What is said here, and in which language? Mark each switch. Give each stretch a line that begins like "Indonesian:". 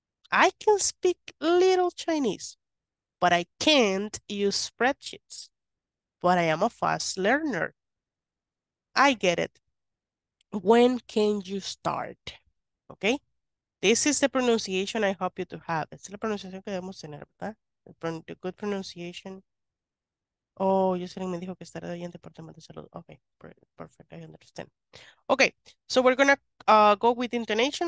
English: I can speak little Chinese, but I can't use spreadsheets. But I am a fast learner. I get it. When can you start? Okay. This is the pronunciation I hope you to have.
Spanish: Es la pronunciación que debemos tener, ¿verdad?
English: The good pronunciation.
Spanish: Oh, Yuselin me dijo que estaré hoy en departamento de salud.
English: Okay, perfect. I understand. Okay, so we're going to go with intonation.